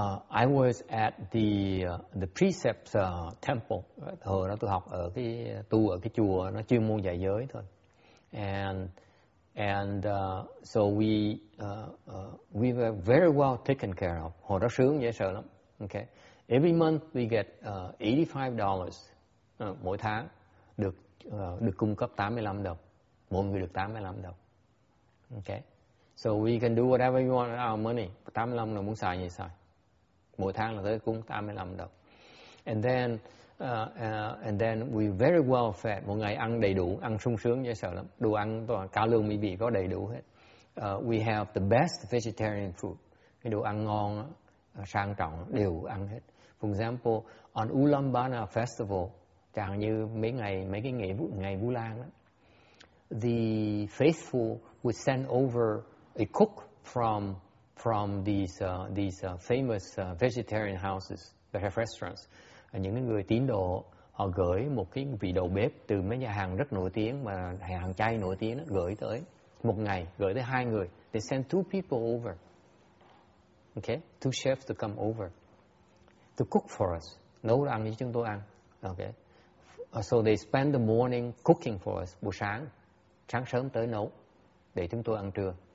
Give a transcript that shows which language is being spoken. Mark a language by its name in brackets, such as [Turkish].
[English] I was at the precepts temple. [Vietnamese] Hồi đó tôi học ở cái tu ở cái chùa nó chuyên môn dạy giới thôi. [English] And so we were very well taken care of. [Vietnamese] Hồi đó sướng dễ sợ lắm. Okay. [English] Every month we get $85 [Vietnamese] mỗi tháng được được cung cấp $85. Mỗi người được $85. Okay. [English] So we can do whatever you want with our money. [Vietnamese] $85 muốn xài gì xài. Mỗi tháng là tới cung $85. [English] And then we very well fed. [Vietnamese] Mỗi ngày ăn đầy đủ, ăn sung sướng dễ sợ lắm. Đồ ăn toàn cá lương mỹ vị có đầy đủ hết. [English] We have the best vegetarian food. [Vietnamese] Cái đồ ăn ngon sang trọng đều ăn hết. [English] For example, on Ulambana festival, [Vietnamese] chẳng như mấy cái ngày Vu Lan đó, [English] the faithful would send over a cook from these famous vegetarian houses, the restaurants. [Vietnamese] Những người tín đồ họ gửi một cái vị đầu bếp từ mấy nhà hàng rất nổi tiếng mà hàng chay nổi tiếng đó, gửi tới một ngày gửi tới hai người. [English] They send two people over. Okay, two chefs to come over to cook for us. [Vietnamese] Nấu ăn cho chúng tôi ăn. [English] Okay. So they spend the morning cooking for us. [Vietnamese] Buổi sáng, sáng sớm tới nấu để chúng tôi ăn trưa.